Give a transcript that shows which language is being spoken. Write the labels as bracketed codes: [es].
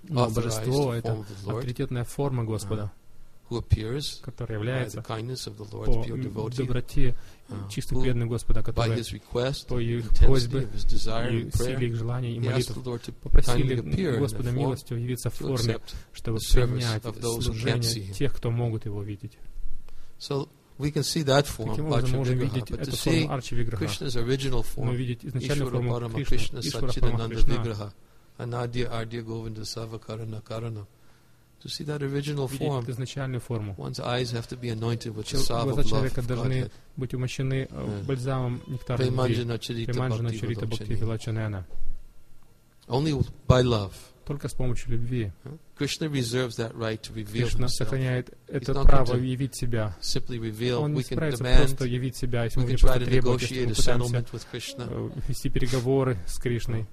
[ru] божество — это авторитетная форма Господа, которая является по доброте чистых преданных Господа, которые по их просьбе и силе их желания и молитв попросили Господа милостью явиться в форме, чтобы принять служение тех, кто могут его видеть. Таким образом, мы можем видеть эту форму Арчавиграха, но видеть изначальную форму Кришны, Ишварапарама Кришна, [sa] Анадья Ардья Говинда Савакарана Карана. [en] To see that original form, [ru] видеть изначальную форму. [en] One's eyes have to be anointed with the salve of love. [ru] Человека должны быть умощены бальзамом нектара любви. [sa] Приманжана чарита бхакти вилачанена. [en] Only by love. [ru] Только с помощью любви. [en] Krishna reserves that right to reveal himself. [ru] Кришна сохраняет это право явить себя. [en] Simply reveal. [ru] Он не справится просто явить себя, если мы не потребуем, если мы пытаемся вести переговоры с Кришной.